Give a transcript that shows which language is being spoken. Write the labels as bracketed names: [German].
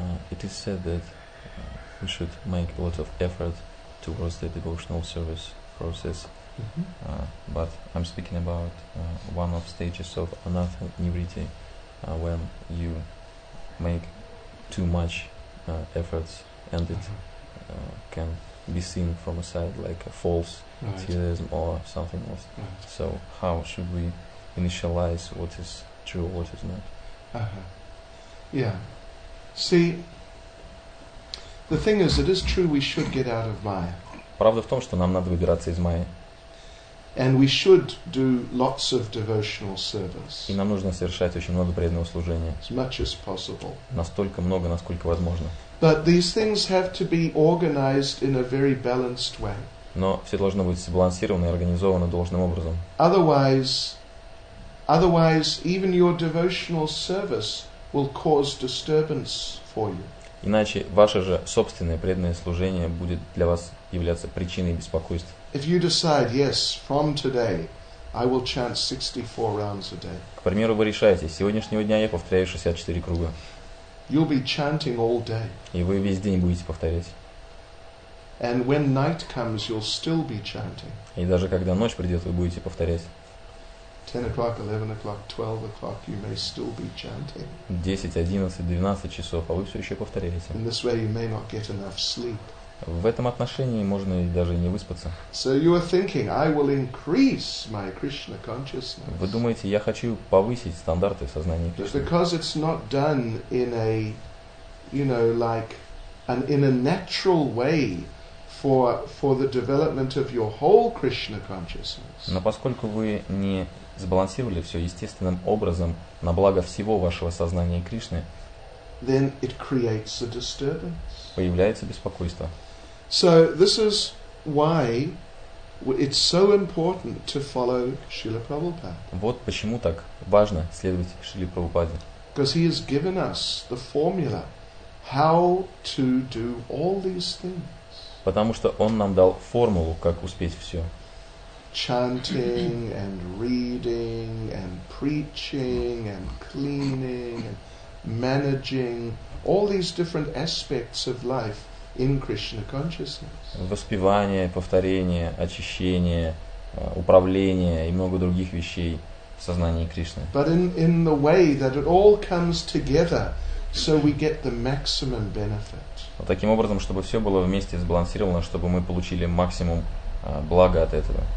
[English] It is said that we should make a lot of effort towards the devotional service process, but I'm speaking about one of stages of anatta nivritti, when you make too much efforts and it can be seen from a side like a false theism or something else. Right. So how should we initialize what is true, what is not? Uh-huh. Yeah. See, the thing is, it is true we should get out of Maya. [Russian] Правда в том, что нам надо выбираться из Майи. [English] And we should do lots of devotional service. [Russian] И нам нужно совершать очень много преданного служения. [English] As much as possible. [Russian] Настолько много, насколько возможно. [English] But these things have to be organized in a very balanced way. [Russian] Но все должно быть сбалансировано и организовано должным образом. [English] Otherwise, even your devotional service will cause disturbance for you. [Russian] Иначе ваше же собственное преданное служение будет для вас являться причиной беспокойств. [English] If you decide, yes, from today, I will chant 64 rounds a day. [Russian] К примеру, вы решаете, с сегодняшнего дня я повторяю 64 круга. [English] You'll be chanting all day. [Russian] И вы весь день будете повторять. [English] And when night comes, you'll still be chanting. [Russian] И даже когда ночь придет, вы будете повторять. [English] 10 o'clock, 11 o'clock, 12 o'clock, you may still be chanting. [Russian] 10, 11, 12 часов, а вы все еще повторяете. [English] In this way you may not get enough sleep. [Russian] В этом отношении можно даже не выспаться. [English] So you are thinking, I will increase my Krishna consciousness. [Russian] Вы думаете, я хочу повысить стандарты сознания Кришны. [English] Because it's not done in a, you know, like, an, in a natural way. For the development of your whole Krishna consciousness. [Russian] Но поскольку вы не сбалансировали все естественным образом на благо всего вашего сознания Кришны, [English] then it creates a disturbance. [Russian] Появляется беспокойство. [English] So this is why it's so important to follow Srila Prabhupada. [Russian] Вот почему так важно следовать Шриле Прабхупаде. [English] Because he has given us the formula how to do all these things. [Russian] Потому что он нам дал формулу, как успеть все. [English] Chanting and reading and preaching and cleaning and managing all these different aspects of life in Krishna consciousness. [Russian] Воспевание, повторение, очищение, управление и много других вещей в сознании Кришны. [English] But in the way that it all comes together. So we get the maximum benefit. [Russian] Вот таким образом, чтобы все было вместе сбалансировано, чтобы мы получили максимум блага от этого.